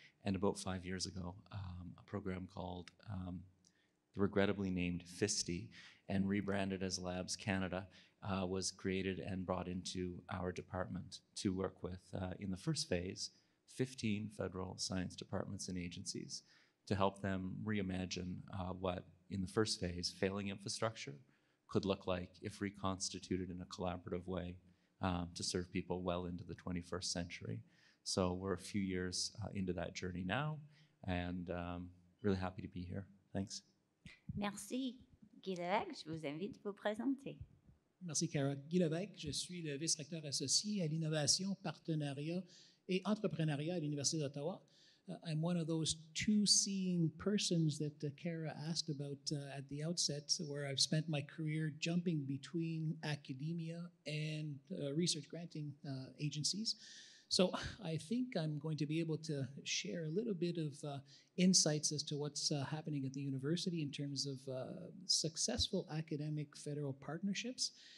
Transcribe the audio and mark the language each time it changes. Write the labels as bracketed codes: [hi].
[en] And about 5 years ago, a program called the regrettably named FISTI and rebranded as Labs Canada was created and brought into our department to work with in the first phase 15 federal science departments and agencies to help them reimagine what, in the first phase, failing infrastructure could look like if reconstituted in a collaborative way to serve people well into the 21st century. So we're a few years into that journey now, and really happy to be here. Thanks. [fr] Merci. Guy Lévesque, je vous invite à vous présenter. Merci, Cara. Guy Lévesque, je suis le vice-recteur associé à l'innovation partenariat et entrepreneuriat à l'Université d'Ottawa. [en] I'm one of those two seeing persons that Kara asked about at the outset, where I've spent my career jumping between academia and research granting agencies. So I think I'm going to be able to share a little bit of insights as to what's happening at the university in terms of successful academic federal partnerships.